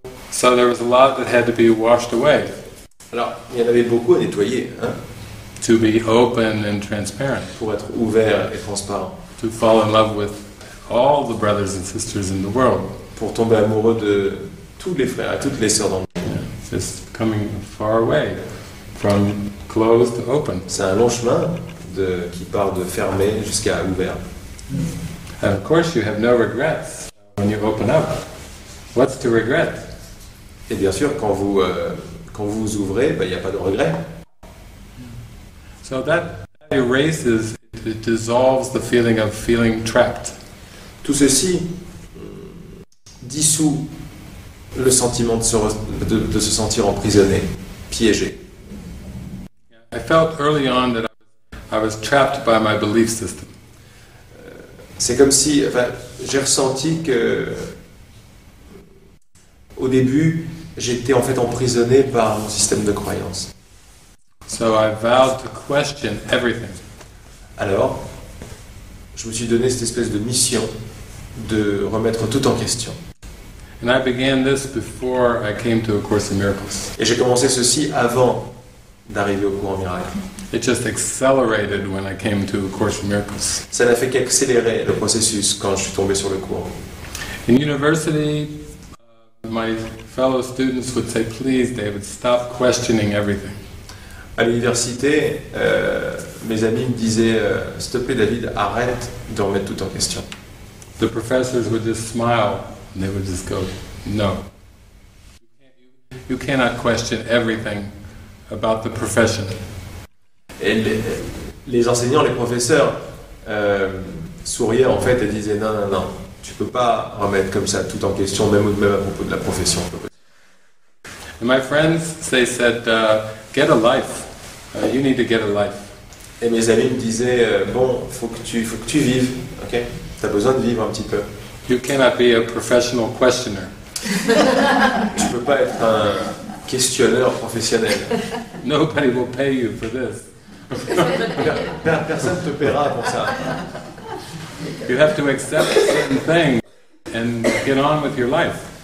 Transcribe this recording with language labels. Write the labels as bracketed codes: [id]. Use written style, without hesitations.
[en] So there was a lot that had to be washed away. [fr] Alors, il y en avait beaucoup à nettoyer, hein. [en] To be open and transparent. [fr] Pour être ouvert et transparent. [en] To fall in love with all the brothers and sisters in the world. [fr] Pour tomber amoureux de tous les frères et toutes les sœurs dans le monde. [en] Just coming far away. From closed to open. [fr] C'est un long chemin qui part de fermé jusqu'à ouvert. [en] And of course, you have no regrets when you open up. What's to regret? [fr] Et bien sûr, quand vous ouvrez, il n'y a pas de regret. [en] So that erases, it dissolves the feeling of feeling trapped. [fr] Tout ceci dissout le sentiment de se sentir emprisonné, piégé. [en] I felt early on that I was trapped by my belief system. [fr] C'est comme si, enfin, j'ai ressenti que, au début, j'étais en fait emprisonné par mon système de croyance. [en] So I vowed to question everything. [fr] Alors, je me suis donné cette espèce de mission de remettre tout en question. [en] And I began this before I came to A Course in Miracles. [fr] Et j'ai commencé ceci avant d'arriver au cours en miracles. [en] It just accelerated when I came to A Course in Miracles. [fr] Ça n'a fait qu'accélérer le processus quand je suis tombé sur le cours. [en] In university, my fellow students would say, "Please, David, stop questioning everything." [fr] À l'université, mes amis me disaient, "S'il te plaît, David, arrête de remettre tout en question." [en] The professors would just smile. They would just go, "No. You cannot question everything." About the profession. [fr] Et les enseignants, les professeurs souriaient en fait et disaient non, tu peux pas remettre comme ça tout en question, même à propos de la profession. [en] And my friends, they said, get a life. You need to get a life. [fr] Et mes amis me disaient, faut que tu vives, ok? T'as besoin de vivre un petit peu. [en] You cannot be a professional questioner. [fr] Tu peux pas être un questionneur professionnel. [en] Nobody will pay you for this. [fr] Personne te paiera pour ça. [en] You have to accept certain things and get on with your life.